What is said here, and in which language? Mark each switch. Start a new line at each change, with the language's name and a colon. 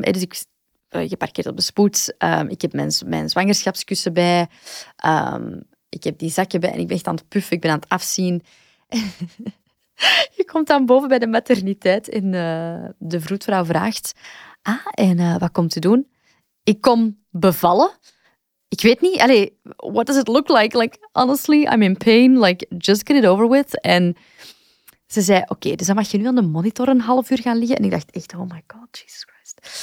Dutch: Dus ik geparkeerd op de spoed. Ik heb mijn zwangerschapskussen bij. Ik heb die zakje bij en ik ben echt aan het puffen. Ik ben aan het afzien. Je komt dan boven bij de materniteit en de vroedvrouw vraagt, wat komt te doen? Ik kom bevallen. Ik weet niet.
English: Allee, what does it look like? Like, honestly, I'm in pain. Like, just get it over with.
Dutch: En ze zei, oké, dus dan mag je nu aan de monitor een half uur gaan liggen. En ik dacht echt,
English: oh my god, Jesus Christ.